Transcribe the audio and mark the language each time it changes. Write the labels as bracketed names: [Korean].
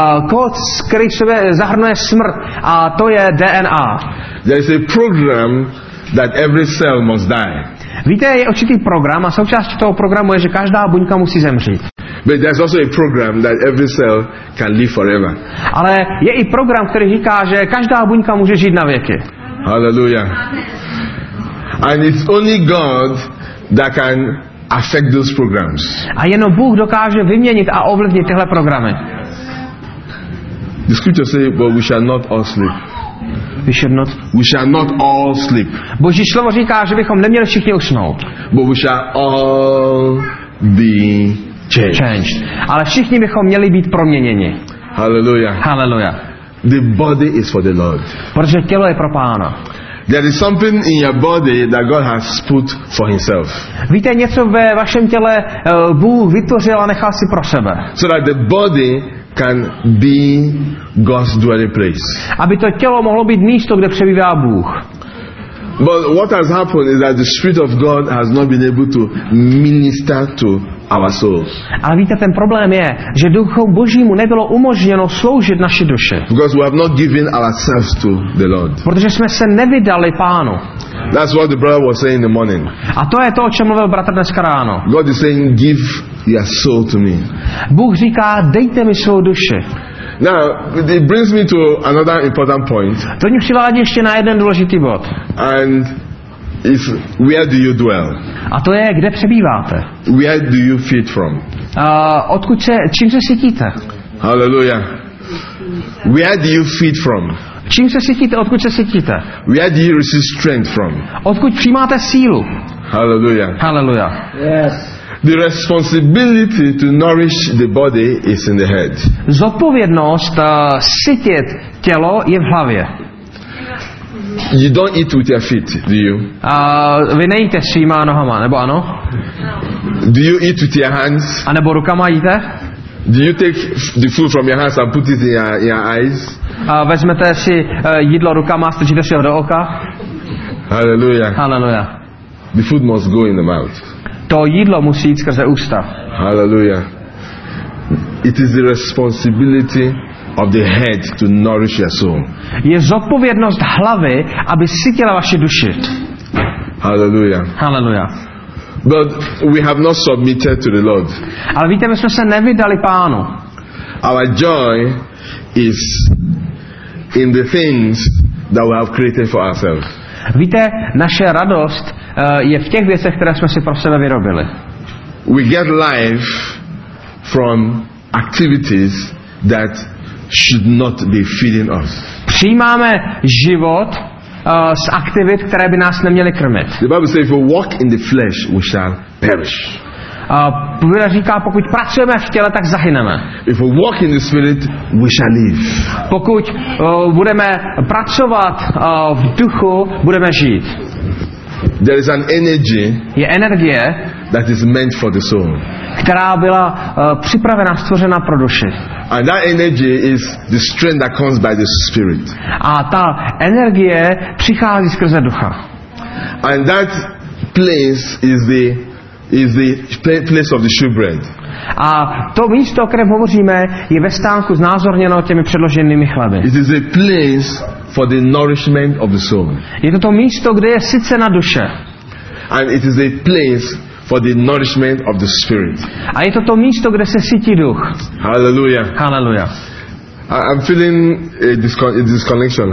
[Czech] Kód, který v sobě zahrnuje smrt, a to je DNA. [English] There's a program that every cell must die. [Czech] Víte, je určitý program a součástí toho programu je, že každá buňka musí zemřít. [English] But there's also a program that every cell can live forever. [Czech] Ale je i program, který říká, že každá buňka může žít na věky. [English] Hallelujah. And it's only God that can affect those programs. [Czech] A jenom Bůh dokáže vyměnit a ovlivnit tyhle programy. [English] The scripture says, but we shall not all sleep. We shall not all sleep. [Czech] Boží slovo říká, že bychom neměli všichni usnout. [English] But we shall all be changed. [Czech] Ale všichni bychom měli být proměněni. [English] Hallelujah. [Czech] Hallelujah. [English] The body is for the Lord. [Czech] Protože tělo je pro Pána. [English] There is something in your body that God has put for himself. [Czech] Víte, něco ve vašem těle Bůh vytvořil a nechal si pro sebe. [English] So that the body can be God's dwelling place. [Czech] Aby to tělo mohlo být místo, kde přebývá Bůh. [English] But what has happened is that the Spirit of God has not been able to minister to our souls. [Czech] Ale víte, ten problém je, že Duchu Božímu nebylo umožněno sloužit naši duše. [English] Because we have not given ourselves to the Lord. [Czech] Protože jsme se nevydali Pánu. [English] That's what the brother was saying in the morning. [Czech] A to je to, o čem mluvil bratr dneska ráno. [English] God is saying, give your soul to me. [Czech] Bůh říká, dejte mi svou duši. [English] Now, it brings me to another important point. [Czech] To mě přivádí ještě na jeden důležitý bod. [English] And it's, where do you dwell? [Czech] A to je, kde přebýváte? [English] Where do you feed from? [Czech] Odkud se, čím se sytíte? [English] Hallelujah. Where do you feed from? [Czech] Čím se sytíte, odkud se sytíte? [English] Where do you receive strength from? [Czech] Odkud přijímáte sílu? [English] Hallelujah. [Czech] Hallelujah. [English] Yes. The responsibility to nourish the body is in the head. [Czech] Zodpovědnost sytit tělo je v hlavě. [English] You don't eat with your feet, do you? [Czech] Vy nejíte svýma nohama, nebo ano? [English] Do you eat with your hands? [Czech] A nebo rukama jíte? [English] Do you take the food from your hands and put it in your eyes? [Czech] Vezmete si jídlo rukama a strčíte si ho do oka? [English] Hallelujah. [Czech] Hallelujah. [English] The food must go in the mouth. [Czech] To jídlo musí jít skrze ústa. [English] Hallelujah. It is the responsibility of the head to nourish your soul. [Czech] Je zodpovědnost hlavy, aby sytila vaši duši. [English] Hallelujah. [Czech] Hallelujah. [English] But we have not submitted to the Lord. [Czech] Ale víte, my jsme se nevydali Pánu. [English] Our joy is in the things that we have created for ourselves. [Czech] Víte, naše radost je v těch věcech, které jsme si pro sebe vyrobili. [English] We get life from activities that should not be feeding us. [Czech] Přijímáme život z aktivit, které by nás neměly krmit. [English] The Bible says, if we walk in the flesh, we shall perish. [Czech] Bible říká, pokud pracujeme v těle, tak zahyneme. [English] If we walk in the spirit, we shall live. [Czech] Pokud budeme pracovat v duchu, budeme žít. [English] There is an energy. [Czech] Je energie, [English] that is meant for the soul. [Czech] Která byla připravena, stvořena pro duši. [English] And that energy is the strength that comes by the spirit. [Czech] A ta energie přichází skrze ducha. [English] And that place is the place of the shewbread. [Czech] A to místo, o kterém hovoříme, je ve stánku znázorněno těmi předloženými chleby. [English] It is a place for the nourishment of the soul. [Czech] Je to místo, kde je sycena duše. [English] And it is a place for the nourishment of the spirit. [Czech] A je to místo, kde se sytí duch. [English] Hallelujah. [Czech] Hallelujah. [English] I'm feeling a disconnection.